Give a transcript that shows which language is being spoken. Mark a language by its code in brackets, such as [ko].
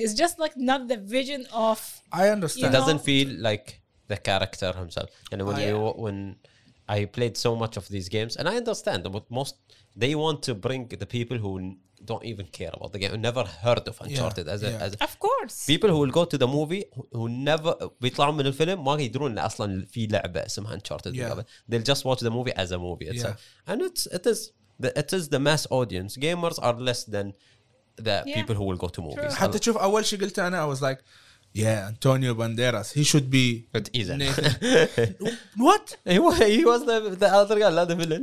[en] It's just like not the vision of... I understand. It doesn't feel like the character himself. And when I played so much of these games, and I understand, but most... They want to bring the people who don't even care about the game, who never heard of Uncharted. Of course. People who will go to the movie, who never, [ar] بيطلعوا من الفيلم, ما يدرون أصلاً في لعبة اسمها Uncharted. [en] Yeah. They'll just watch the movie as a movie itself. Yeah. And it is the mass audience. Gamers are less than the people who will go to movies. [ar] حتى تشوف أول شيء قلت أنا, [en] I was like, yeah, Antonio Banderas, he should be... But isn't. What? He was the other guy, not the villain.